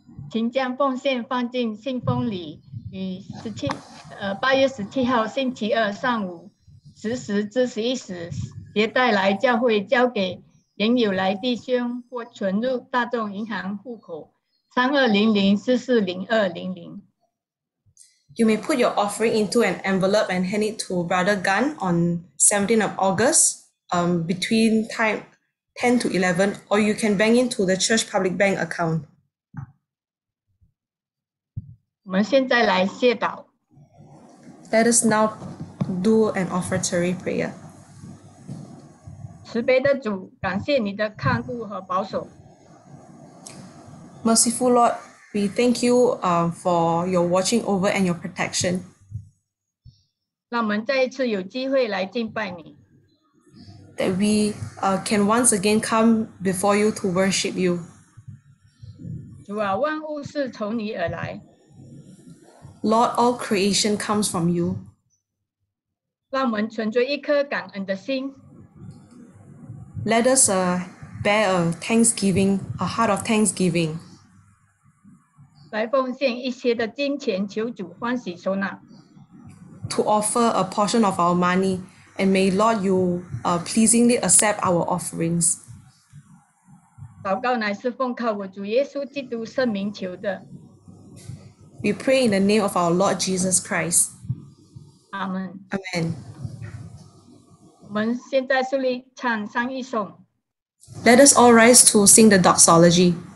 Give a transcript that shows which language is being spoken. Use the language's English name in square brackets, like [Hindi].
[Chinese] 请将奉献放进信封里，于8月17号星期二上午10时至11时携带来教会，交给仍有来弟兄，或存入大众银行户口3200-440200。 [English] You may put your offering into an envelope and hand it to Brother Gan on 17th of August between time 10 to 11, or you can bank into the church public bank account. [Chinese] 我们现在来谢祷。 [English] Let us now do an offertory prayer. [Chinese] 慈悲的主，感谢你的看顾和保守。 [English] Merciful Lord,We thank you for your watching over and your protection. [Chinese] 让我们再一次有机会来敬拜你。 [English] That we can once again come before you to worship you. [Chinese] 主啊，万物是从你而来。 [English] Lord, all creation comes from you. [Chinese] 让我们存着一颗感恩的心。 [English] Let us bear a thanksgiving, a heart of thanksgiving. [Chinese] 来奉献一些的金钱，求主欢喜收纳。 [English] To offer a portion of our money, and may Lord you pleasingly accept our offerings. [Chinese] 祷告乃是奉靠我主耶稣基督圣名求的。 [English] We pray in the name of our Lord Jesus Christ. Amen. Amen. [Chinese] 我们现在竖立唱上一颂。 [English] Let us all rise to sing the doxology.